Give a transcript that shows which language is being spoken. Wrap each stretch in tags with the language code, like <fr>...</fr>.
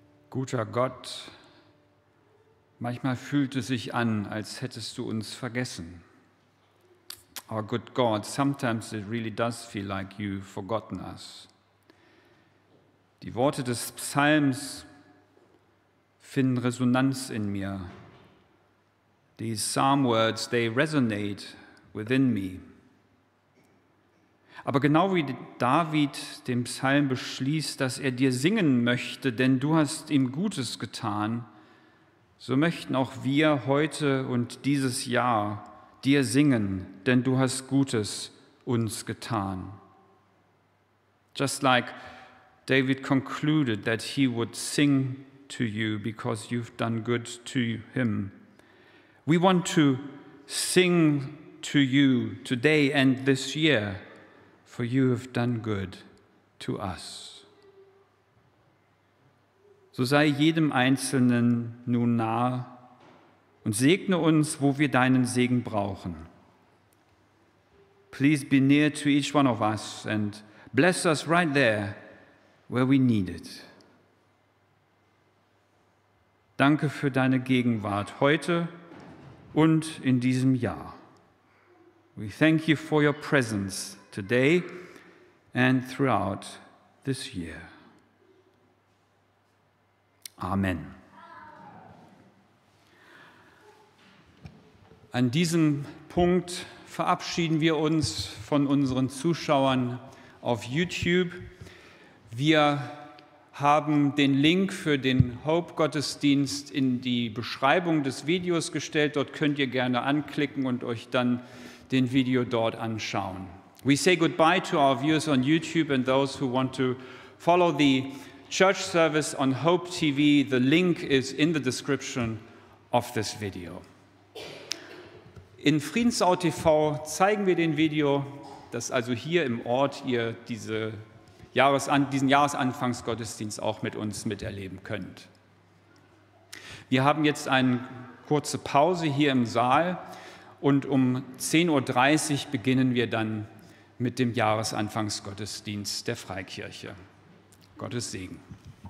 <de>Guter Gott, manchmal fühlt es sich an, als hättest du uns vergessen.</de> <en>Our good God, sometimes it really does feel like you've forgotten us.</en> <de>Die Worte des Psalms finden Resonanz in mir.</de> <en>These psalm words, they resonate within me.</en> <de>Aber genau wie David den Psalm beschließt, dass er dir singen möchte, denn du hast ihm Gutes getan, so möchten auch wir heute und dieses Jahr dir singen, denn du hast Gutes uns getan.</de> <en>Just like David concluded that he would sing to you because you've done good to him. We want to sing to you today and this year. For you have done good to us.</en> <de>So sei jedem Einzelnen nun nah und segne uns, wo wir deinen Segen brauchen.</de> <en>Please be near to each one of us and bless us right there where we need it.</en> <de>Danke für deine Gegenwart heute und in diesem Jahr.</de> <en>We thank you for your presence today and throughout this year. Amen.</en> <de>An diesem Punkt verabschieden wir uns von unseren Zuschauern auf YouTube. Wir haben den Link für den Hope-Gottesdienst in die Beschreibung des Videos gestellt. Dort könnt ihr gerne anklicken und euch dann den Video dort anschauen.</de> <en>We say goodbye to our viewers on YouTube and those who want to follow the church service on Hope TV. The link is in the description of this video.</en> <de>In Friedensau TV zeigen wir den Video, dass also hier im Ort ihr diesen Jahresanfangsgottesdienst auch mit uns miterleben könnt. Wir haben jetzt eine kurze Pause hier im Saal und um 10.30 Uhr beginnen wir dann mit dem Jahresanfangsgottesdienst der Freikirche. Gottes Segen.</de>